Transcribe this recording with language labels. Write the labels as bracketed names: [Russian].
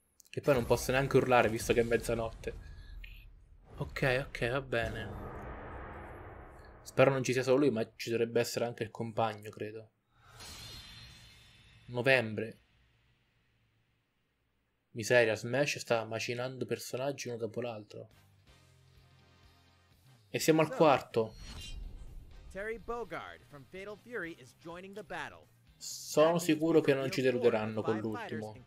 [Italian] Che poi non posso neanche urlare visto che è mezzanotte. Ok, va bene. Spero non ci sia solo lui, ma ci dovrebbe essere anche il compagno, credo. Novembre. Miseria, Smash sta macinando personaggi uno dopo l'altro. E siamo al quarto. [English] Terry Bogard from Fatal Fury is joining the battle. [Italian] Sono sicuro che non ci deluderanno con l'ultimo.